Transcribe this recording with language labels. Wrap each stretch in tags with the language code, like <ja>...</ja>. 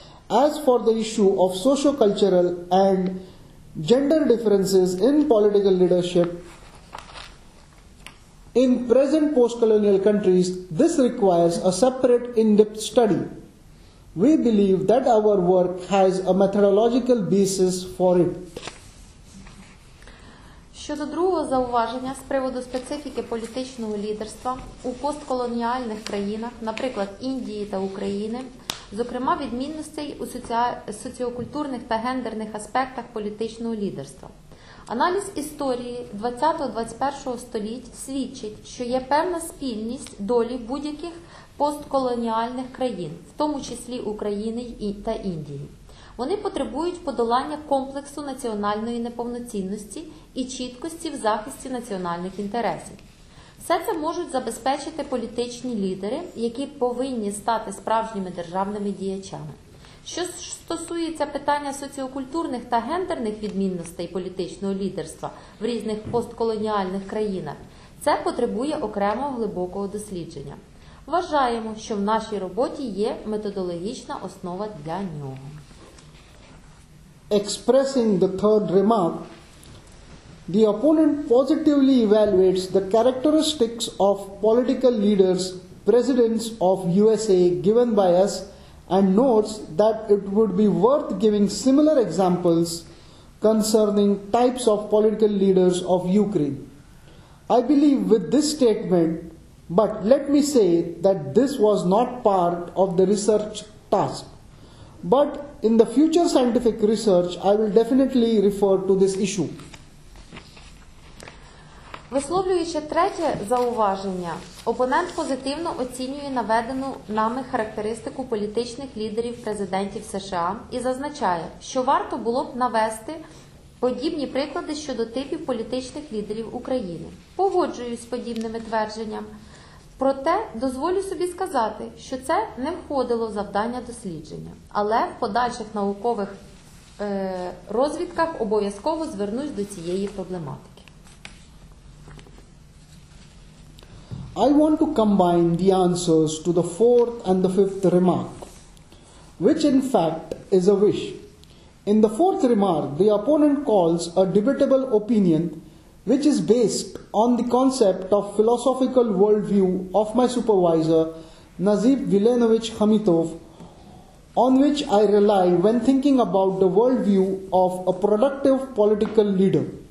<en>As for the issue of socio-cultural and gender differences in political leadership, in present post-colonial countries, this requires a separate in-depth study. We believe that our work has a methodological basis for it.</en> <uk>Щодо другого зауваження з приводу специфіки політичного лідерства у постколоніальних країнах, наприклад, Індії та України, зокрема відмінностей у соціокультурних та гендерних аспектах політичного лідерства. Аналіз історії 20-21 століть свідчить, що є певна спільність долі будь-яких постколоніальних країн, в тому числі України та Індії. Вони потребують подолання комплексу національної неповноцінності і чіткості в захисті національних інтересів. Все це можуть забезпечити політичні лідери, які повинні стати справжніми державними діячами. Що стосується питання соціокультурних та гендерних відмінностей політичного лідерства в різних постколоніальних країнах, це потребує окремого глибокого дослідження. Вважаємо, що в нашій роботі є методологічна основа для нього.</uk> <en>Expressing the third remark, the opponent positively evaluates the characteristics of political leaders, presidents of USA given by us, and notes that it would be worth giving similar examples concerning types of political leaders of Ukraine. I believe with this statement, but let me say that this was not part of the research task. But in the future scientific research, I will definitely refer to this issue.</en> <uk>Висловлюючи третє зауваження, опонент позитивно оцінює наведену нами характеристику політичних лідерів президентів США і зазначає, що варто було б навести подібні приклади щодо типів політичних лідерів України. Погоджуюсь з подібними твердженням. Проте, дозволю собі сказати, що це не входило в завдання дослідження. Але в подальших наукових розвідках обов'язково звернусь до цієї проблематики.</uk> <en>I want to combine the answers to the fourth and the fifth remark, which in fact is a wish. In the fourth remark, the opponent calls a debatable opinion which is based on the concept of philosophical worldview of my supervisor, Nazib Vilenovich Khamitov, on which I rely when thinking about the worldview of a productive political leader.</en>